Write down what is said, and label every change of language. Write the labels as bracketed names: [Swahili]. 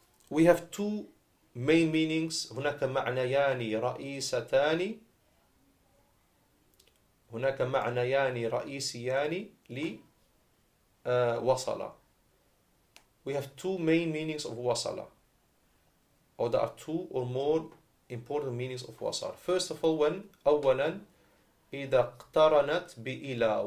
[English] We have two main meanings. [Arabic] هناك معنيان رئيسيان. هناك معنيان رئيسيان لوصلة. [English] We have two main meanings of وصلة. Or there are two or more important meanings of وصلة. First of all, when [Arabic] أولا إذا اقترنت بإلى.